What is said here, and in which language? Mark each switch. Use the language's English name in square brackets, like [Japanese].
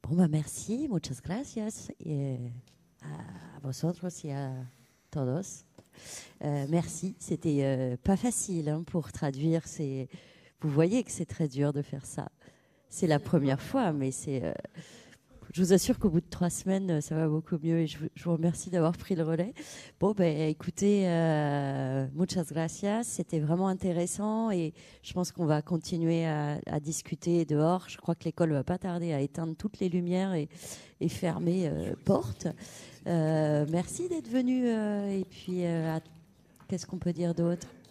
[Spanish] Merci, muchas gracias a vosotros y a todos. [French] Merci, c'était pas facile hein, pour traduire. Vous voyez que c'est très dur de faire ça. C'est la première fois, mais c'est. Je vous assure qu'au bout de 3 semaines, ça va beaucoup mieux et je vous remercie d'avoir pris le relais. Bon, ben, écoutez, [Spanish] muchas gracias. [French] C'était vraiment intéressant et je pense qu'on va continuer à discuter dehors. Je crois que l'école ne va pas tarder à éteindre toutes les lumières et fermer portes. Merci d'être venu et puis qu'est-ce qu'on peut dire d'autre?